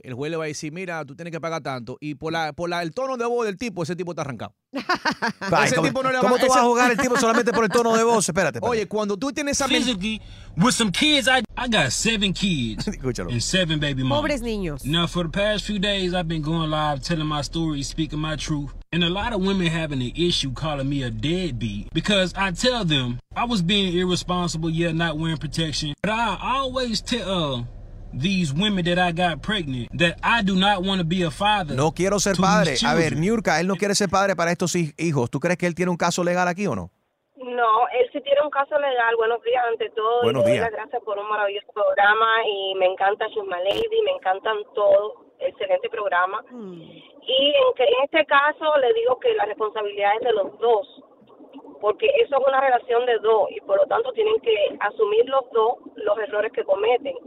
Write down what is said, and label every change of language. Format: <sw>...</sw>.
<es>El juez le va a decir, mira, tú tienes que pagar tanto. Y por el tono de voz del tipo, ese tipo está arrancado. ¿Cómo tú vas a jugar el tipo solamente por el tono de voz? Espérate. Oye, cuando tú tienes esa...</es> <en>Physically, with some kids, I got seven kids.</en> <es>Escúchalo.</es> <en>And seven baby moms.</en> <es>Pobres niños.</es> <en>Now, for the past few days, I've been going live, telling my story, speaking my truth. And a lot of women having an issue calling me a deadbeat because I tell them I was being irresponsible, yeah, not wearing protection. But I always tell these women that I got pregnant that I do not want to be a father.</en> <es>No quiero ser padre. A ver, Nurka, él no quiere ser padre para estos hijos. ¿Tú crees que él tiene un caso legal aquí o no? No, él sí tiene un caso legal. Buenos días, ante todo. Buenos días. Muchas gracias por un maravilloso programa y me encanta Shuma Lady, me encantan todos. Excelente programa. Y en este caso le digo que la responsabilidad es de los dos, porque eso es una relación de dos y por lo tanto tienen que asumir los dos los errores que cometen.</es>